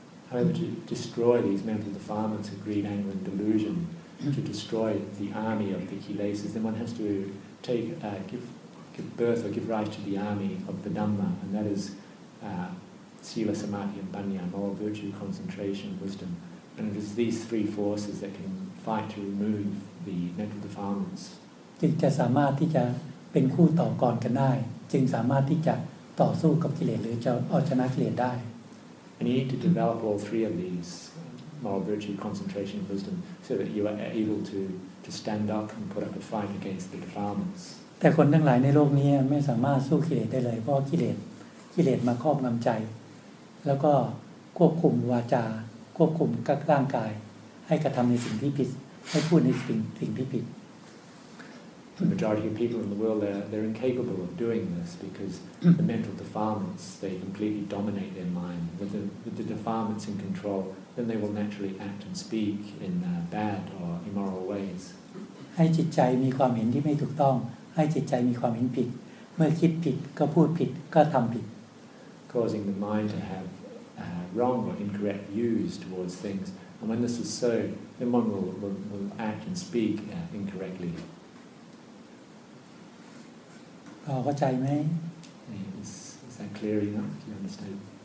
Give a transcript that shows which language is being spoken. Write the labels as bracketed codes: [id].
[en] However, to destroy these mental defilements of greed, anger, and delusion, to destroy the army of the kilesas, then one has to give birth or give rise to the army of the Dhamma, and that is sila, samadhi, and panya, moral virtue, concentration, wisdom. And it is these three forces that can fight to remove the mental defilements. [th] จึงจะสามารถที่จะเป็นคู่ต่อกรกันได้จึงสามารถที่จะต่อสู้กับกิเลสหรือจะเอาชนะกิเลสได้ [en] And you need to develop all three of these moral virtue, concentration, and wisdom, so that you are able to stand up and put up a fight against the defilements. [th] แต่คนทั้งหลายในโลกนี้ไม่สามารถสู้กิเลสได้เลยเพราะกิเลสมาครอบงำใจแล้วก็ควบคุมวาจาควบคุมกับร่างกายให้กระทำในสิ่งที่ผิดให้พูดในสิ่งที่ผิด [en] The majority of people in the world they're incapable of doing this because the mental defilements they completely dominate their mind with the defilements in control then they will naturally act and speak in bad or immoral ways [th] ให้จิตใจมีความเห็นที่ไม่ถูกต้องให้จิตใจมีความเห็นผิดเมื่อคิดผิดก็พูดผิดก็ทำผิด [en] causing the mind to have wrong or incorrect views towards things and when this is so then one will act and speak incorrectly [th] พอเข้าใจไหม [en] is that clear enough do you understand